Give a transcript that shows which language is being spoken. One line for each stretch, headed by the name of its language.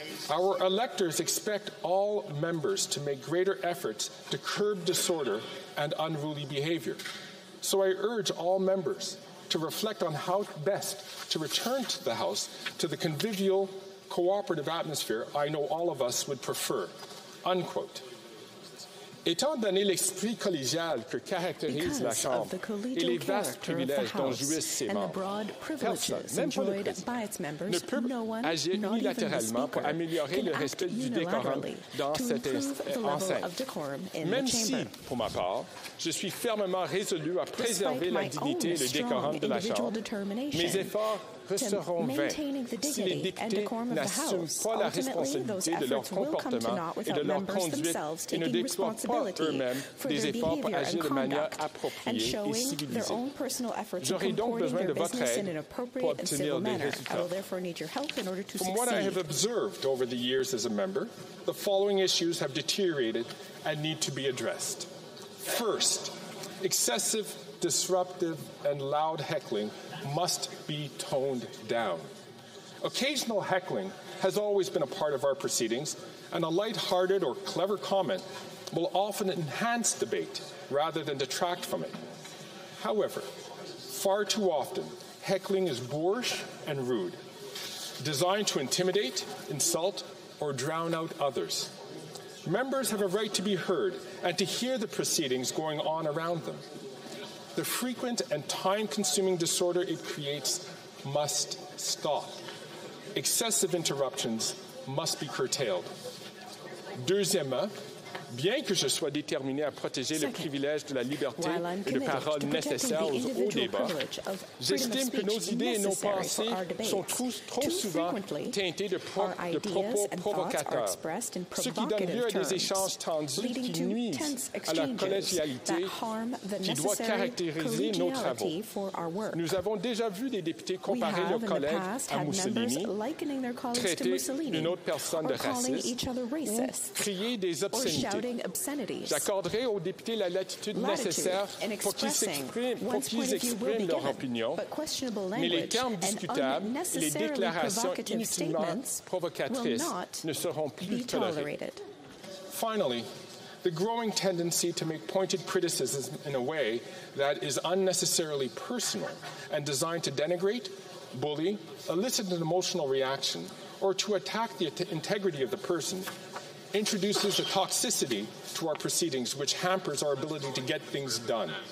English: Our electors expect all members to make greater efforts to curb disorder and unruly behavior. So I urge all members to reflect on how best to return to the House to the convivial, cooperative atmosphere I know all of us would prefer." Unquote.
French: Étant donné l'esprit collégial que caractérise la Chambre et les vastes privilèges dont jouissent ses membres, personne, même pas le président, ne peut agir unilatéralement pour améliorer le respect du décorum dans cette enceinte. Même si, pour ma part, je suis fermement résolu à préserver la dignité et le décorum de la Chambre, mes efforts resteront vains si les députés n'assument pas la responsabilité de leur comportement et de leur conduite et ne déploient pas eux-mêmes des efforts pour agir de manière appropriée et civilisée. J'aurai donc besoin de votre aide pour obtenir des résultats.
English: From what I have observed over the years as a member, the following issues have deteriorated and need to be addressed. First, excessive, disruptive, and loud heckling must be toned down. Occasional heckling has always been a part of our proceedings, and a light-hearted or clever comment will often enhance debate rather than detract from it. However, far too often, heckling is boorish and rude, designed to intimidate, insult, or drown out others. Members have a right to be heard and to hear the proceedings going on around them. The frequent and time-consuming disorder it creates must stop. Excessive interruptions must be curtailed.
French: Deuxièmement, bien que je sois déterminé à protéger le privilège de la liberté et de parole nécessaire aux hauts débats, j'estime que nos idées et nos pensées sont trop souvent teintées de propos provocateurs, ce qui donne lieu à des échanges tendus qui nuisent à la collégialité qui doit caractériser nos travaux. Nous avons déjà vu des députés comparer leurs collègues à Mussolini, traiter une autre personne de raciste, ou crier des obscénités. J'accorderai aux députés la latitude nécessaire pour qu'ils expriment leur opinion, mais les termes discutables et les déclarations inutilement provocatrices ne seront plus tolérées.
English: Finally, the growing tendency to make pointed criticism in a way that is unnecessarily personal and designed to denigrate, bully, elicit an emotional reaction, or to attack the integrity of the person introduces a toxicity to our proceedings which hampers our ability to get things done.